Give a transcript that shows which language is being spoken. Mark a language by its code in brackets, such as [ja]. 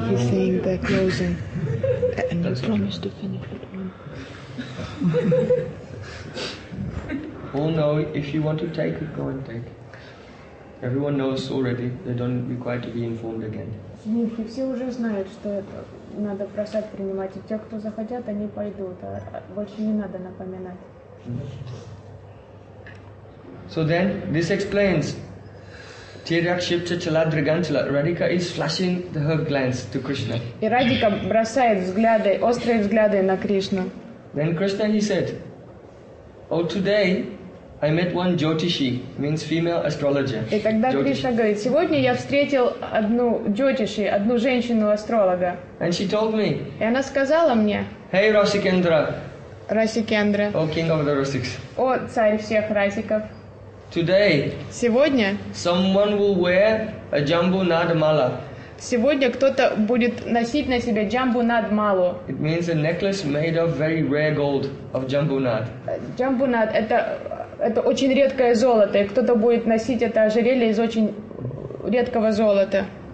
[en] He's saying they're closing. And I promise to finish it. All know if you want to take it, go and take. Everyone knows already. They don't require to be informed again. [ru] Нет, и все уже знают, что это надо просад принимать. И те, кто захотят, они пойдут. А больше не надо напоминать. [en] So then, this explains. [sa] Tiryakshipta chaladrigantala. [en] Radhika is flashing her glance to Krishna. [ru] И Радика бросает взгляды, острые взгляды на Кришну. [en] Then Krishna, he said, Oh, today... I met one Jyotishi, means female astrologer. [ru] И тогда Кришна говорит, сегодня я встретил одну Джотиши, одну женщину-астролога. [en] And she told me. [ru] И она сказала мне. [en] Hey, Rasikendra. Rasikendra. O king of the Rasiks. [ru] О, царь всех Расиков. [en] Today. [ru] Сегодня. [en] Someone will wear a Jambu Nadmala. [ru] Сегодня кто-то будет носить на себе Jambu Nadmalu. [en] It means a necklace made of very rare gold of Jambu Nad. [ru] Jambu Nad это... Это очень редкое золото, и кто-то будет носить это ожерелье из очень редкого золота.